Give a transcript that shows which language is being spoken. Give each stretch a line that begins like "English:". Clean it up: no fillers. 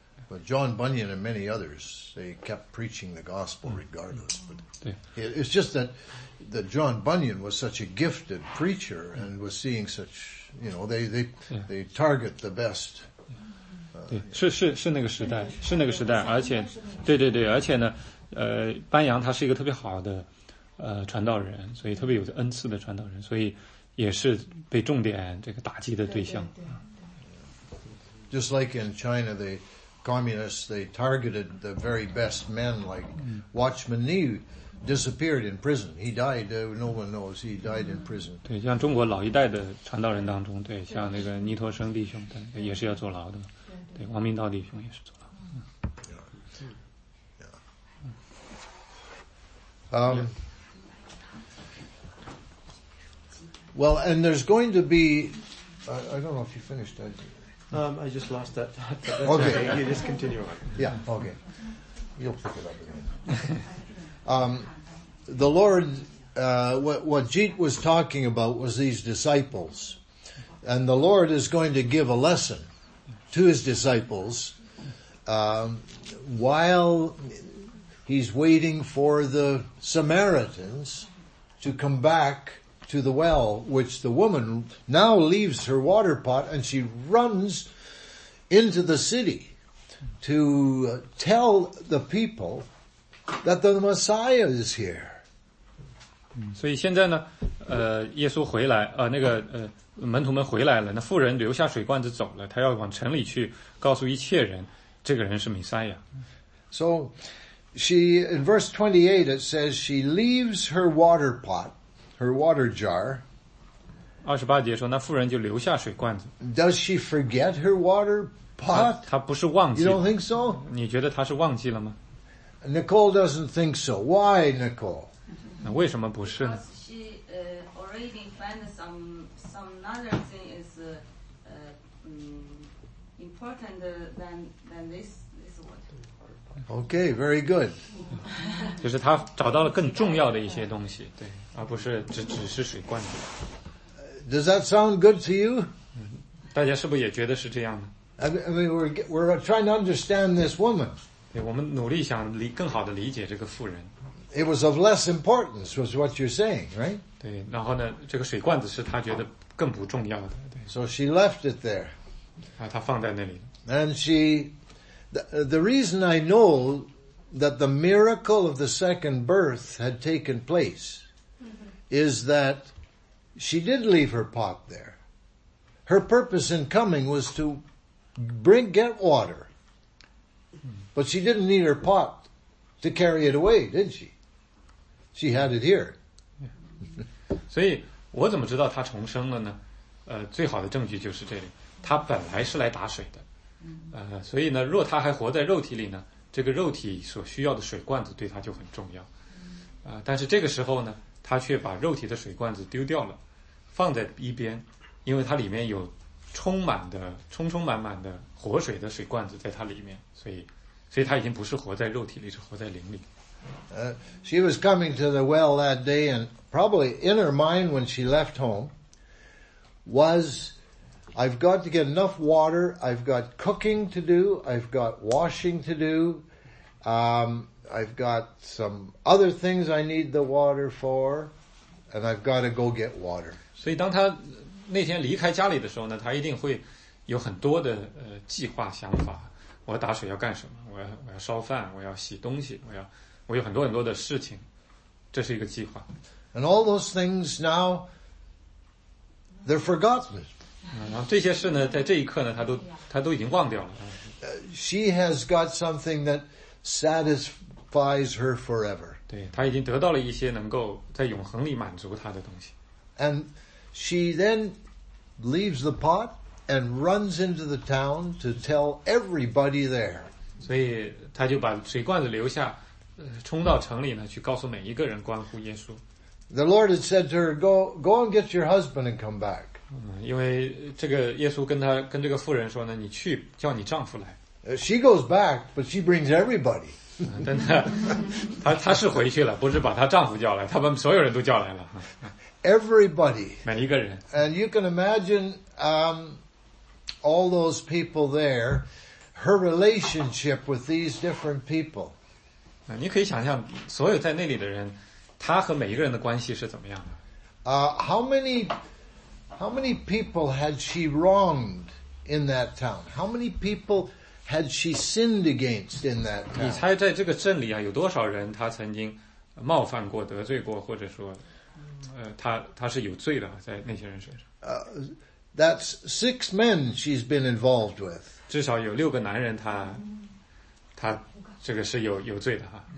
English: But John Bunyan and many others, they kept preaching the gospel regardless. But it's just that John Bunyan was such a gifted preacher and was seeing such, you know, they target the best
Chinese: 是那个时代，而且对，而且呢，班扬他是一个特别好的传道人，所以特别有恩赐的传道人，所以也是被重点这个打击的对象。
English: Just like in China, the communists, they targeted the very best men, like Watchman Nee disappeared in prison. He died, no one knows, he died in prison.
Chinese: 对，像中国老一代的传道人当中，对，像那个尼陀生弟兄，对，也是要坐牢的。对，王明道弟兄也是坐牢。
English: Well, and there's going to be, I don't know if you finished that. I just lost that thought. Okay. You just continue on. Yeah, okay. You'll pick it up again. The Lord, what Jeet was talking about was these disciples. And the Lord is going to give a lesson to his disciples while he's waiting for the Samaritans to come back to the well, which the woman now leaves her water pot and she runs into the city to tell the people that the Messiah is here.
Chinese: 所以现在呢，耶稣回来，那个门徒们回来了，那妇人留下水罐子走了，她要往城里去告诉一切人，这个人是弥赛亚。
English: So she, in verse 28, it says she leaves her water pot, her water jar.
Chinese: 28节说，那妇人就留下水罐子。
English: Does she forget her water pot?
Chinese: 她不是忘记了。
English: You don't think so?
Chinese: 你觉得她是忘记了吗？
English: Nicole doesn't think so. Why, Nicole?
Chinese: 那为什么不是呢？
English: Because she already found some other thing is important than this water. Okay, very good.
Chinese: 就是她找到了更重要的一些东西，对，而不是只是水罐子。
English: Does that sound good to you?
Chinese: 大家是不是也觉得是这样呢？
English: I mean, we're trying to understand this woman.
Chinese: 对，我们努力想更好的理解这个妇人。
English: It was of less importance, was what you're saying, right?
Chinese: 对，然后呢，这个水罐子是她觉得更不重要的。对。
English: So she left it there.
Chinese: 啊，她放在那里。
English: And she, the reason I know that the miracle of the second birth had taken place is that she did leave her pot there. Her purpose in coming was to get water. But she didn't need her pot to carry it away, did she? She had it here.
Chinese: 所以我怎么知道她重生了呢？最好的证据就是这里，她本来是来打水的。所以呢，若她还活在肉体里呢，这个肉体所需要的水罐子对她就很重要。但是这个时候呢，她却把肉体的水罐子丢掉了，放在一边，因为它里面有充满的活水的水罐子在它里面，所以她已经不是活在肉体里，是活在灵里。
English: She was coming to the well that day, and probably in her mind when she left home was, I've got to get enough water, I've got cooking to do, I've got washing to do, I've got some other things I need the water for, and I've got to go get water.
Chinese: 所以当她那天离开家里的时候呢，她一定会有很多的计划想法，我打水要干什么，我要烧饭，我要洗东西，我有很多很多的事情，这是一个计划。
English: And all those things now, they're forgotten.
Chinese: 然后这些事呢，在这一刻呢，他都已经忘掉了。
English: She has got something that satisfies her forever.
Chinese: 对，她已经得到了一些能够在永恒里满足她的东西。
English: And she then leaves the pot and runs into the town to tell everybody there.
Chinese: 所以她就把水罐子留下。冲到城里呢，去告诉每一个人关乎耶稣。
English: The Lord had said to her, "Go and get your husband and come back."
Chinese: 因为这个耶稣跟这个妇人说呢，你去叫你丈夫来。
English: She goes back, but she brings everybody.
Chinese: 但她是回去了，不是把她丈夫叫来，她把所有人都叫来了。
English: Everybody.
Chinese: 每一个人。
English: And you can imagine, all those people there, her relationship with these different people.
Chinese: 你可以想象所有在那里的人，他和每一个人的关系是怎么样的。
English: How many people had she wronged in that town? How many people had she sinned against in that town?
Chinese: 你猜在这个镇里啊，有多少人她曾经冒犯过、得罪过，或者说，她是有罪的，在那些人身上。
English: That's six men she's been involved with.
Chinese: 至少有六个男人她，她这个是有罪的哈。